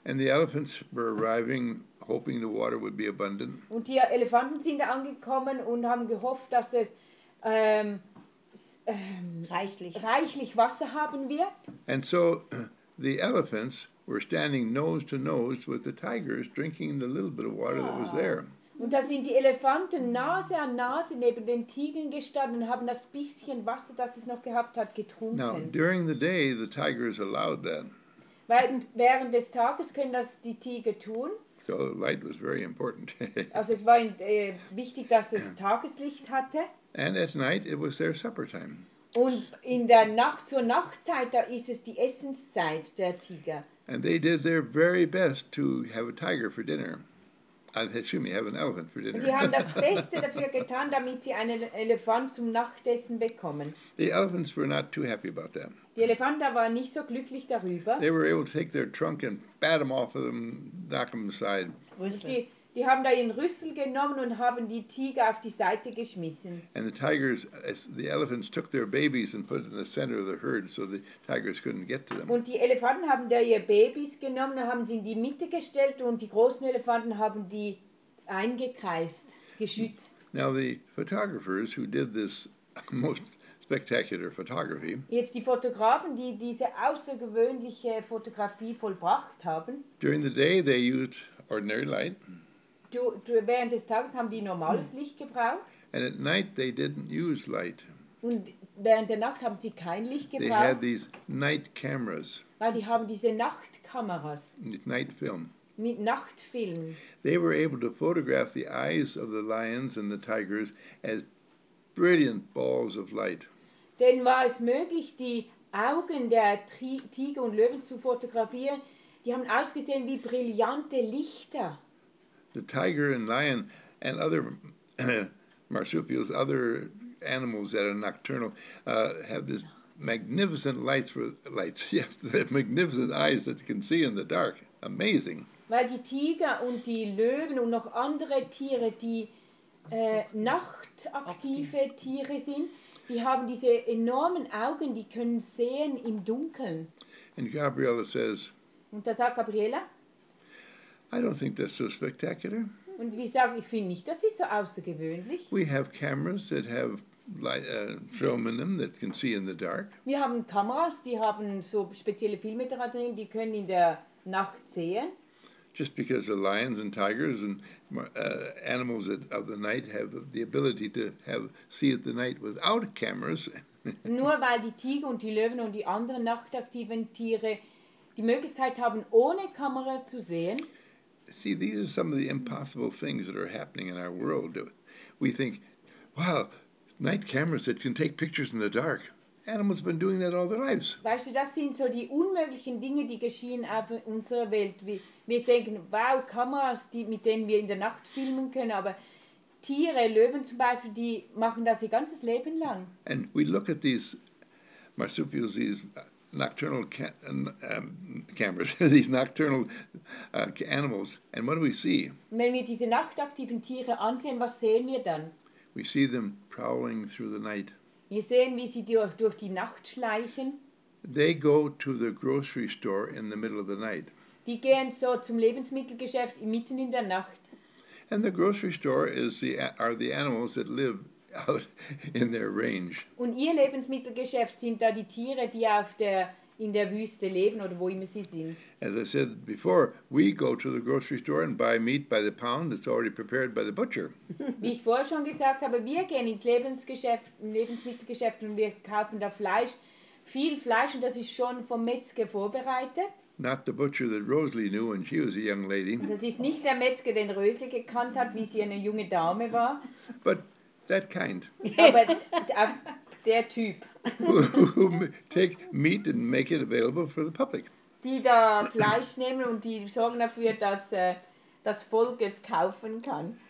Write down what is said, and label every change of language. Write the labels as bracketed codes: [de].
[en] And the elephants were arriving, hoping the water would be abundant. [de] Und die Elefanten sind da angekommen und haben gehofft, dass es reichlich Wasser haben wird. [en] And so the elephants were standing nose to nose with the tigers, drinking the little bit of water that was there. [de] Und da sind die Elefanten Nase an Nase neben den Tigern gestanden und haben das bisschen Wasser, das es noch gehabt hat, getrunken. [en] Now, during the day, the tigers allowed that. [de] Weil während des Tages können das die Tiger tun. [en] So light was very important. [de] Also es war wichtig, dass es Tageslicht hatte. [en] And at night, it was their supper time. [de] Und in der Nacht, zur Nachtzeit, da ist es die Essenszeit der Tiger. [en] And they did their very best to have a tiger for dinner. Excuse me, have an elephant for dinner. [de] Die haben das Beste dafür getan, damit sie einen Elefant zum Nachtessen bekommen. [en] The elephants were not too happy about that. [de] Die Elefanten waren nicht so glücklich darüber. [en] They were able to take their trunk and bat them off of them, knock them aside. [de] Die haben da ihren Rüssel genommen und haben die Tiger auf die Seite geschmissen. [en] And the tigers, the elephants took their babies and put it in the center of the herd, so the tigers couldn't get to them. [de] Und die Elefanten haben da ihre Babys genommen und haben sie in die Mitte gestellt und die großen Elefanten haben die eingekreist, geschützt. [en] Now the photographers who did this most spectacular photography. [de] Jetzt die Fotografen, die diese außergewöhnliche Fotografie vollbracht haben. [en] During the day they used ordinary light. [de] Während des Tages haben die normales Licht gebraucht. [en] And at night they didn't use light. [de] Und während der Nacht haben sie kein Licht gebraucht. [en] They had these night cameras. [de] Weil die haben diese Nachtkameras. Mit Nachtfilm. Mit Nachtfilm. [en] They were able to photograph the eyes of the lions and the tigers as brilliant balls of light. [de] Denn war es möglich, die Augen der Tiger und Löwen zu fotografieren, die haben ausgesehen wie brillante Lichter. [en] the tiger and lion and other marsupials, other animals that are nocturnal, have this magnificent lights. Yes, the magnificent eyes that you can see in the dark. Amazing. [de] Weil die Tiger und die Löwen und noch andere Tiere, die nachtaktive Tiere sind, die haben diese enormen Augen, die können sehen im Dunkeln. [en] And Gabriella says, [de] und da sagt Gabriella, [en] I don't think that's so spectacular. [de] Und die sagt, ich finde nicht, das ist so außergewöhnlich. [en] We have cameras that have light, film in them that can see in the dark. [de] Wir haben Kameras, die haben so spezielle Filme da drin, die können in der Nacht sehen. [en] Just because the lions and tigers and animals of the night have the ability to have see at the night without cameras. [de] Nur weil die Tiger und die Löwen und die anderen nachtaktiven Tiere die Möglichkeit haben, ohne Kamera zu sehen. [en] See, these are some of the impossible things that are happening in our world. We think, wow, night cameras that can take pictures in the dark. Animals have been doing that all their lives. [de] Weißt du, das sind so die unmöglichen Dinge, die geschehen auf unserer Welt. Wir denken, wow, Kameras, die, mit denen wir in der Nacht filmen können, aber Tiere, Löwen zum Beispiel, die machen das ihr ganzes Leben lang. [en] And we look at these marsupials, these nocturnal cameras, these nocturnal animals, and what do we see? [de] Wenn wir diese nachtaktiven Tiere ansehen, was sehen wir dann? [en] We see them prowling through the night. [de] Wir sehen, wie sie durch die Nacht schleichen. [en] They go to the grocery store in the middle of the night. [de] Die gehen so zum Lebensmittelgeschäft mitten in der Nacht. [en] And the grocery store are the animals that live out in their range. [de] Und ihr Lebensmittelgeschäft sind da die Tiere, die in der Wüste leben oder wo immer sie sind. [en] As I said before, we go to the grocery store and buy meat by the pound that's already prepared by the butcher. [de] Wie ich vorher schon gesagt habe, wir gehen ins Lebensmittelgeschäft und wir kaufen da Fleisch, viel Fleisch, und das ist schon vom Metzger vorbereitet. [en] Not the butcher that Rosalie knew when she was a young lady. [de] Das ist nicht der Metzger, den Rosalie gekannt hat, wie sie eine junge Dame war. [en] But that kind. [de] Aber der Typ. [en] Who take meat and make it available for the public. [de] Die da Fleisch nehmen und die sorgen dafür, dass das Volk es kaufen kann.